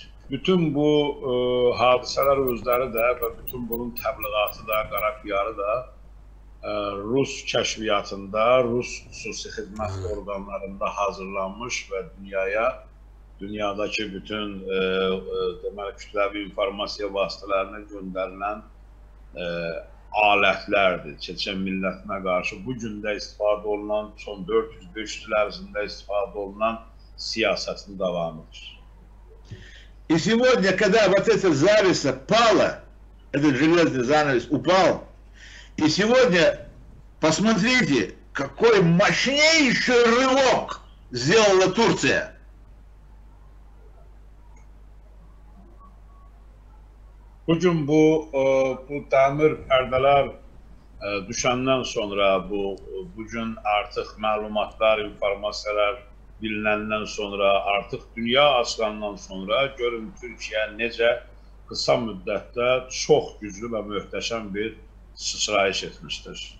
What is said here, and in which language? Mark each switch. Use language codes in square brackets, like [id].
[az] Bütün bu hadisələr özləri də və bütün bunun təbliğatı da, qara piyarı da Rus kəşfiyyatında, Rus xüsusi xidmət orqanlarında hazırlanmış və dünyaya, dünyadakı bütün deməli, kütləvi informasiya vasitələrinə göndərilən aletlərdir. Çeçen millətinə qarşı bugün də istifadə olunan, son 400-500 il ərzində istifadə olunan siyasətin davamıdır. [ru] И сегодня, когда вот эта зависть пала, этот железный занавес упал, и сегодня, посмотрите, какой мощнейший рывок сделала Турция. [az] Bugün bu, bu dəmir pərdələr düşəndən sonra, bu, bugün artıq məlumatlar, informasiyalar bilinəndən sonra, artıq dünya açılandan sonra görün Türkiyə necə qısa müddətdə çox güclü və möhtəşəm bir sıçrayış etmişdir.